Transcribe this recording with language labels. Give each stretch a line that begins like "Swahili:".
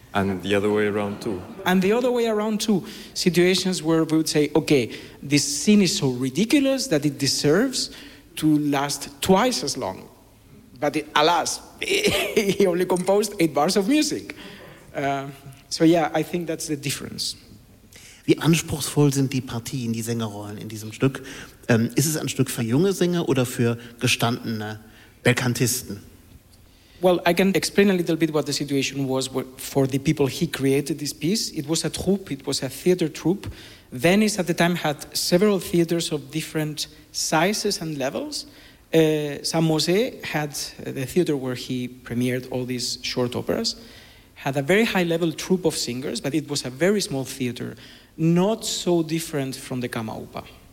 English: And the other way around, too. And the other way around, too. Situations where we would say, okay, this scene is so ridiculous that it deserves to last twice as long. But it, alas, he only composed 8 bars of music. I think that's the difference.
German: Wie anspruchsvoll sind die Partien, die Sängerrollen in diesem Stück? Ist es ein Stück für junge Sänger oder für gestandene Belkantisten?
English: Well, I can explain a little bit what the situation was for the people he created this piece. It was a troupe, it was a theater troupe. Venice at the time had several theaters of different sizes and levels. San Mose had the theater where he premiered all these short operas, had a very high-level troupe of singers, but it was a very small theater, not so different from the Kamaupa.